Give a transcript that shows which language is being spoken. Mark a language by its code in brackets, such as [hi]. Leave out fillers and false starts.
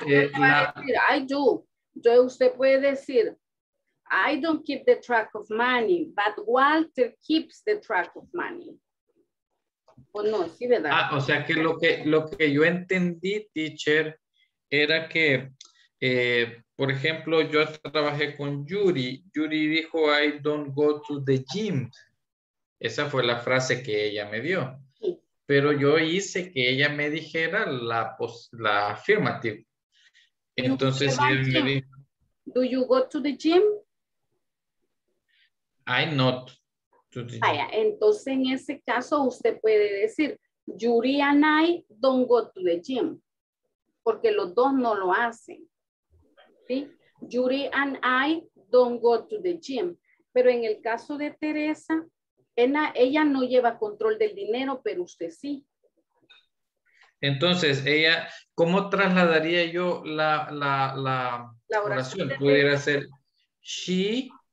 [en] I do. [es] Entonces usted puede decir, [en] I don't keep the track of money, but Walter keeps the track of money. [es] O no, sí, ¿verdad? Ah, o sea que lo que yo entendí, teacher, era que, por ejemplo, yo trabajé con Yuri. [en] Yuri dijo, I don't go to the gym. [es] Esa fue la frase que ella me dio. Sí. Pero yo hice que ella me dijera la affirmative. Entonces, él me dijo, [en] do you go to the gym? I not to the gym. [es] Vaya, entonces, en ese caso, usted puede decir, [en] Yuri and I don't go to the gym. [es] Porque los dos no lo hacen. ¿Sí? [en] Yuri and I don't go to the gym. [es] Pero en el caso de Teresa, ella no lleva control del dinero, pero usted sí. Entonces, ella, ¿cómo trasladaría yo la oración? Pudiera ser she